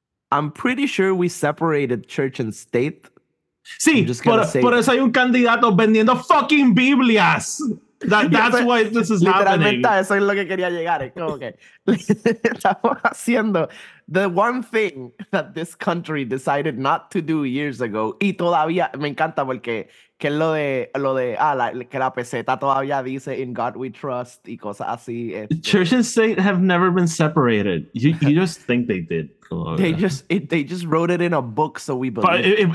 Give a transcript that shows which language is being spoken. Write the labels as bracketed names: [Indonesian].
[English] I'm pretty sure we separated church and state. [Spanish] Sí, por eso hay un candidato vendiendo [English] fucking [Spanish] Biblias. [English] That's why this is [Spanish] literalmente Literalmente, eso es lo que quería llegar. Es como que estamos haciendo [English] the one thing that this country decided not to do years ago. [Spanish] Y todavía me encanta porque que es que la peseta todavía dice [English] in God we trust [Spanish] y cosas así. [English] Church and state have never been separated. You just think they did. They just wrote it in a book, so we believe.